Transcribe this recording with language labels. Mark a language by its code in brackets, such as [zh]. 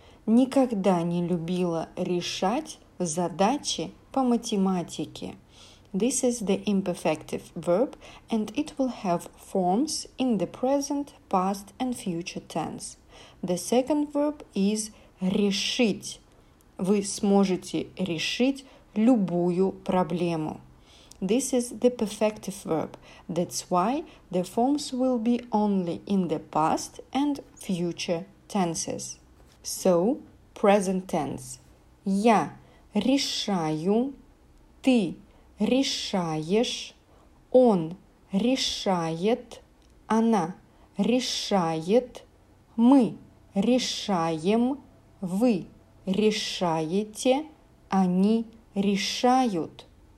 [ru] Никогда не любила решать задачи по математике. [en] This is the imperfective verb, and it will have forms in the present, past, and future tense. The second verb is решить. [ru] Вы сможете решить любую проблему. [en] This is the perfective verb. That's why the forms will be only in the past and future tenses. So, present tense. [ru] Я решаю, ты решаешь, он решает, она решает, мы решаем, вы решаете, они решают.